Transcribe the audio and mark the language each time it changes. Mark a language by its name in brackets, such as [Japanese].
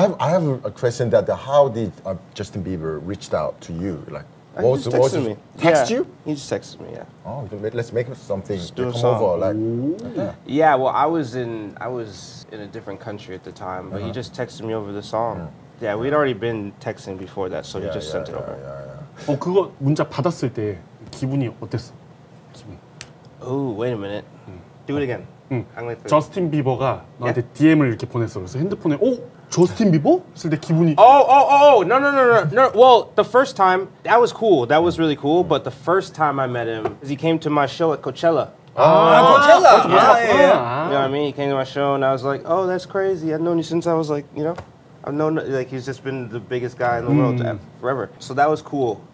[English] I have a question that how did Justin Bieber reach out to you? Like, he just texted me. He just texted me. Let's make something. Come over. Well, I was in a different country at the time, but he just texted me over the song. Yeah, we'd already been texting before that, so he just sent it over. Yeah. [Korean] Oh, 그거 문자 받았을 때 기분이 어땠어? [English] Oh, wait a minute. Do it again. [Korean] Justin Bieber가 나한테 DM을 이렇게 보냈어. 그래서 핸드폰에 Justin Bieber? 쓸 때 기분이 [English] No. Well, the first time, that was cool. That was really cool. But the first time I met him, he came to my show at Coachella. Coachella! Yeah. You know what I mean? He came to my show and I was like, oh, that's crazy. I've known you since I was like, you know? I've known, like, he's just been the biggest guy in the world forever. So that was cool.